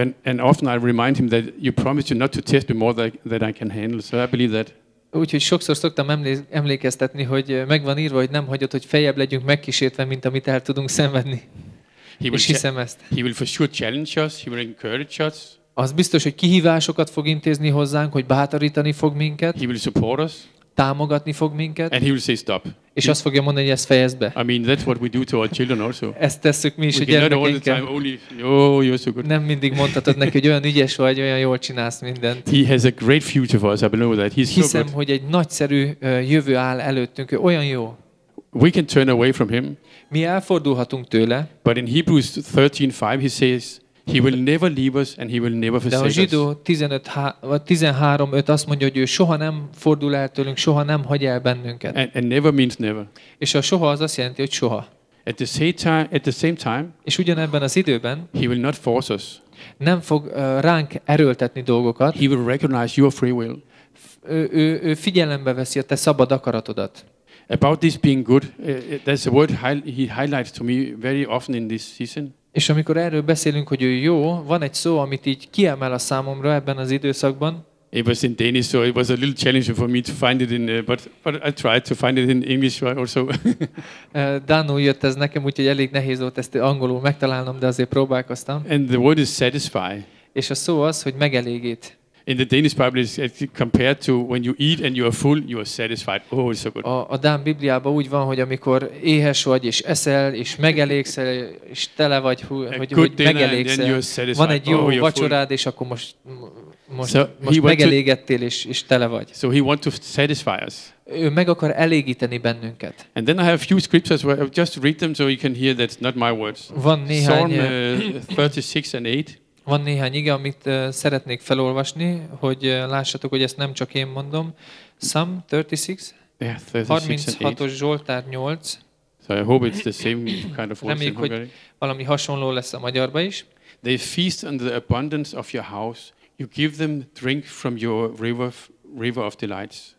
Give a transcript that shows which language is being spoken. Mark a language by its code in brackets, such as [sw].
[en] And often I remind him that you promised you not to test me more than I can handle. So I believe that. [hu] Úgyhogy sokszor szoktam emlékeztetni, hogy megvan írva, hogy nem hagyod, hogy feljebb legyünk megkísértve, mint amit el tudunk szenvedni. És hiszem ezt. [en] He will for sure challenge us, he will encourage us. [hu] Az biztos, hogy kihívásokat fog intézni hozzánk, hogy bátorítani fog minket. [en] He will support us. [hu] támogatni fog minket. [en] And he will say stop. [hu] És azt fogja mondani, hogy ezt fejezd be. [en] I mean that's what we do to our children also. [hu] Ezt tesszük mi is a gyermekeinkkel. Nem mindig mondhatod neki, hogy olyan ügyes vagy, olyan jól csinálsz mindent. [en] He has a great future for us. I know that. He's [hu] hiszem, [en] so good. [hu] Hogy egy nagyszerű jövő áll előttünk. Ő olyan jó. [en] We can turn away from him. [hu] Mi elfordulhatunk tőle. [en] But in Hebrews 13:5 he says he will never leave us and he will never forsake us. [hu] De a zsidó 13:5 azt mondja, hogy ő soha nem fordul el tőlünk, soha nem hagy el bennünket. [en] And never means never. [hu] És a soha az azt jelenti, hogy soha. [en] At the same time. [hu] És ugyanebben az időben. [en] He will not force us. [hu] Nem fog ránk erőltetni dolgokat. [en] He will recognize your free will. [hu] Ő figyelembe veszi a te szabad akaratodat. [en] About this being good, there's a word he highlights to me very often in this season. [hu] És amikor erről beszélünk, hogy ő jó, van egy szó, amit így kiemel a számomra ebben az időszakban. [en] It was in Danish, so it was a little challenge for me to find it in, but I tried to find it in English also. [hu] Danul jött ez nekem, úgyhogy elég nehéz volt ezt angolul megtalálnom, de azért próbálkoztam. [en] And the word is satisfy. [hu] És a szó az, hogy megelégít. [en] In the Danish Bible, it's compared to when you eat and you are full, you are satisfied. Oh, it's so good. [hu] A Dán Bibliában úgy van, hogy amikor éhes vagy és eszel és megelégszel és tele vagy, hogy megelégszel, van egy jó vacsorád és akkor most megelégettél és tele vagy. [en] So he wants to satisfy us. [hu] Ő meg akar elégíteni bennünket. [en] And then I have a few scriptures where I've just read them so you can hear that's not my words. [hu] Van néhány. [en] Psalm 36:8. [hu] Van néhány ige, amit szeretnék felolvasni, hogy lássatok, hogy ezt nem csak én mondom. Psalm 36-os Zsoltár 8. [en] So I hope it's the same kind of words. [hu] Reméljük, hogy valami hasonló lesz a magyarba is. [en] They feast on the abundance of your house. You give them drink from your river of delights.